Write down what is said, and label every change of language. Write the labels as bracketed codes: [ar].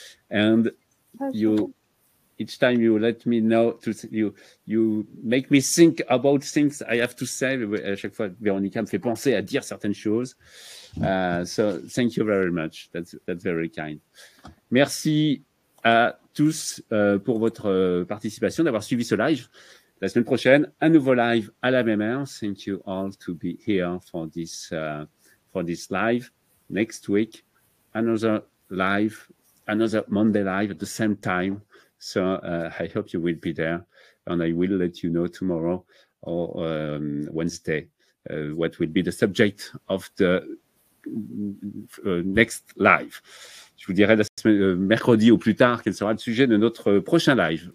[en] And you, each time you let me know, you make me think about things I have to say. [fr] À chaque fois, Veronica me fait penser à dire certaines choses. [en] So thank you very much. That's very kind. [fr] Merci à tous pour votre participation, d'avoir suivi ce live. La semaine prochaine, un nouveau live à la même heure. [en] Thank you all to be here for this live. Next week, another live, another Monday live at the same time. So I hope you will be there, and I will let you know tomorrow or Wednesday what will be the subject of the next live. [fr] Je vous dirai mercredi au plus tard quel sera le sujet de notre prochain live.